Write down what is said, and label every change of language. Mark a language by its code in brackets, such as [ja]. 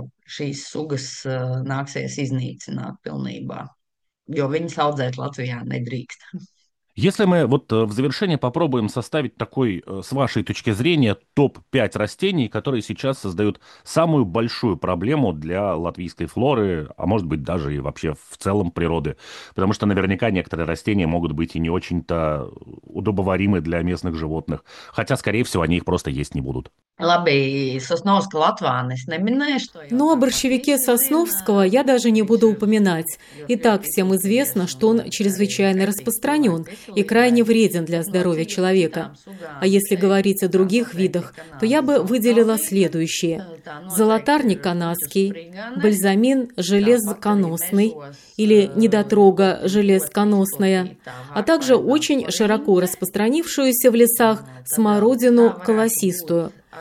[lv] Šīs sugas nāksies iznīcināt pilnībā, jo viņas audzēt Latvijā nedrīkst. [ru] Если мы вот в завершение попробуем составить такой, с вашей точки зрения, топ-5 растений, которые сейчас создают самую большую проблему для латвийской флоры, а может быть даже и вообще в целом природы. Потому что наверняка некоторые растения могут быть и не очень-то удобоваримы для местных животных. Хотя, скорее всего, они их просто есть не будут. [lv] Labi, Sosnovska Latvāna, es neminēju, [ru] что я Но о так. борщевике Сосновского я даже не буду упоминать. И так всем известно, что он чрезвычайно распространен и крайне вреден для здоровья человека. А если говорить о других видах, то я бы выделила следующие. Золотарник канадский, бальзамин железконосный или недотрога железконосная, а также очень широко распространившуюся в лесах смородину колосистую.